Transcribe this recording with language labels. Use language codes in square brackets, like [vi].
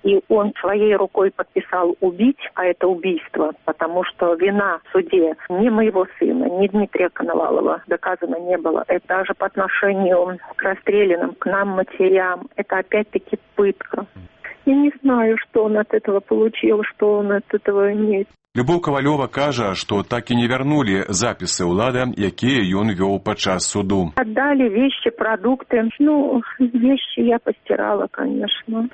[ru] И он своей рукой подписал убить, а это убийство, потому что вина в суде ни моего сына, ни Дмитрия Коновалова доказана не была. Это же по отношению к расстрелянным, к нам, матерям. Это опять-таки пытка. Я не знаю, что он от этого получил, что он от этого имеет. [be] Любов Кавалёва кажа, што так і не вярнулі запісы ўлада, якія ён вёў падчас суду. Аддалі вещи, прадукты. [ru] Ну, вещи я пастирала, конечно.